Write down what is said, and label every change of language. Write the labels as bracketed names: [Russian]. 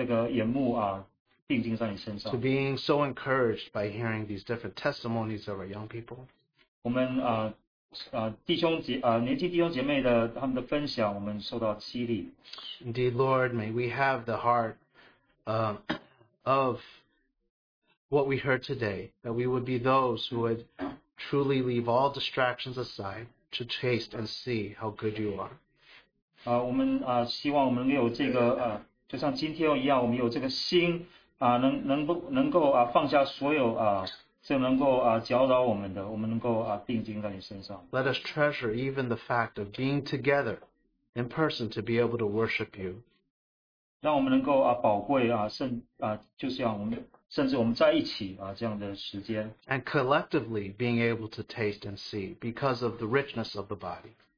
[Chinese] 我们这一天的开始，我们能够一起来敬拜你，把我们的这个眼目定睛在你身上。 [English] To being so encouraged by hearing these different testimonies of our young people. [Chinese] 我们年轻弟兄姐妹的他们的分享，我们受到激励。 [English] Indeed, Lord, may we have the heart of what we heard today, that we would be those who would truly leave all distractions aside to taste and see how good you are. [Chinese] 我们希望我们能够像今天一样，我们有这个心，能够放下所有，能够搅扰我们的，我们能够定睛在你身上。 [English] Let us treasure even the fact of being together in person to be able to worship you. [Chinese] 让我们能够宝贵，甚至我们在一起这样的时间。 [English] And collectively being able to taste and see because of the richness of the body.